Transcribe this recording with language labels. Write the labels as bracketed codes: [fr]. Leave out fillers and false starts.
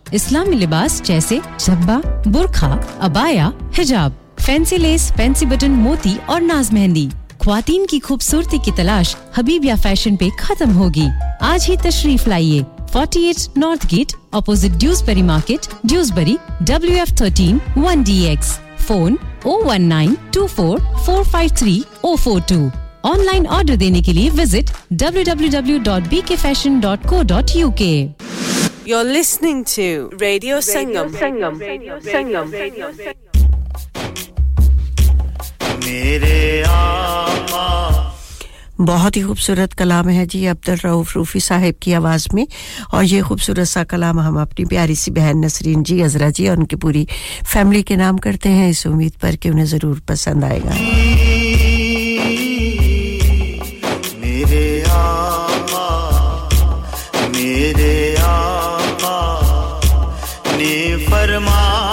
[ur] اسلامی لباس جیسے جبہ، برقع، ابایا، حجاب، فینسی لیس، فینسی بٹن، موتی اور ناز مہندی۔ خواتین کی خوبصورتی کی تلاش حبیبیا فیشن پہ ختم ہوگی۔ آج ہی تشریف لائیے 48 north get, opposite Dewsbury market, Dewsbury, WF13 1DX، phone 01924453042۔ On line order دینے کے لیے visit www.bkfashion.co.uk۔ [en] You're listening to Radio Sangam. Sangam. Sangam. [ur] میرے آقا بہت ہی خوبصورت کلام ہے جی عبد الرؤف روفی صاحب کی آواز میں اور یہ خوبصورت سا کلام ہم اپنی پیاری سی بہن نسرین جی عزرا جی اور ان کی پوری فیملی کے نام کرتے ہیں اس امید پر کہ انہیں ضرور پسند آئے گا میرے آقا میرے آقا نے فرمایا